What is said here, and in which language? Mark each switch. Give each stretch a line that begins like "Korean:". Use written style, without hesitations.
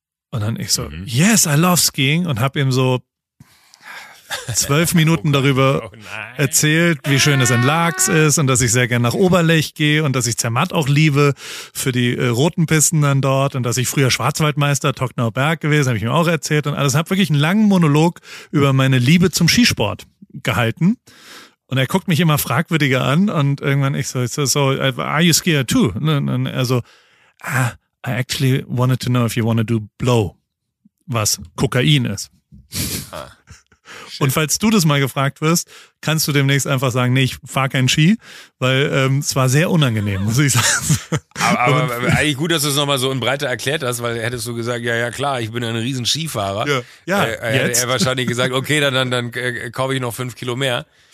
German: Und dann ich so,
English: yes, I love skiing
German: und hab ihm so 12 Minuten darüber erzählt, wie schön es in Laax ist und dass ich sehr gerne nach Oberlech gehe und dass ich Zermatt auch liebe für die roten Pisten dann dort und dass ich früher Schwarzwaldmeister Tocknauer Berg gewesen, habe ich ihm auch erzählt und alles. Hab wirklich einen langen Monolog über meine Liebe zum Skisport gehalten. Und er guckt mich immer fragwürdiger an und irgendwann ich so,
English: are you scared too?
German: Und er so,
English: I actually wanted to know if you want to do blow,
German: was Kokain ist. Und falls du das mal gefragt wirst, kannst du demnächst einfach sagen, nee, ich fahr kein Ski, weil es war sehr unangenehm, muss ich sagen. Aber eigentlich gut, dass du es nochmal so in Breite erklärt hast, weil hättest du gesagt, ja klar, ich bin ein riesen Skifahrer. Ja, er wahrscheinlich gesagt, okay, dann kaufe ich noch 5 Kilo mehr.